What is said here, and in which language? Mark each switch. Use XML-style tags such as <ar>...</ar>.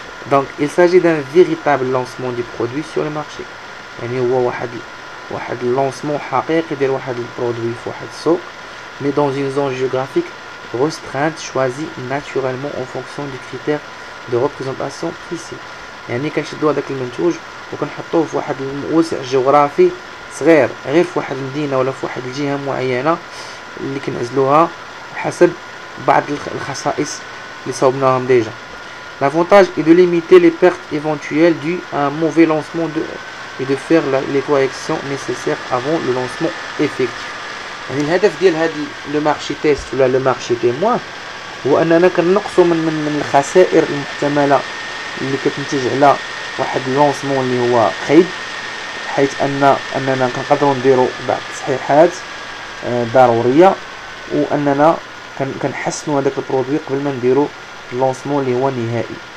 <fr>دونك il s'agit d'un véritable lancement du produit sur le marché،</fr> <ar>يعني هو واحد لونسمون حقيقي ديال واحد البرودوي في واحد السوق،</ar> <fr>mais dans une zone géographique restreinte choisie naturellement en fonction du critère de représentation précis.</fr> <ar>يعني كنشدوا هذاك المنتوج وكنحطوه في واحد الوسع جغرافي صغير غير في واحد المدينه ولا في واحد الجهه معينه اللي كنعزلوها حسب بعض الخصائص اللي صوبناهم ديجا.</ar> <fr>L'avantage est de limiter les pertes éventuelles dues à un mauvais lancement de, et de faire les corrections nécessaires avant le lancement effectif.</fr> <ar>يعني الهدف ديال هذا لو مارشي تيست ولا لو مارشي تيموان هو اننا كنقصوا من الخسائر المحتمله اللي كتنتج على واحد لونسمون اللي هو خايب، حيث اننا كنقدروا نديروا بعض التصحيحات ضروريه واننا كنحسنوا هذاك البرودوي قبل ما نديروا لونسمون اللي هو نهائي.</ar>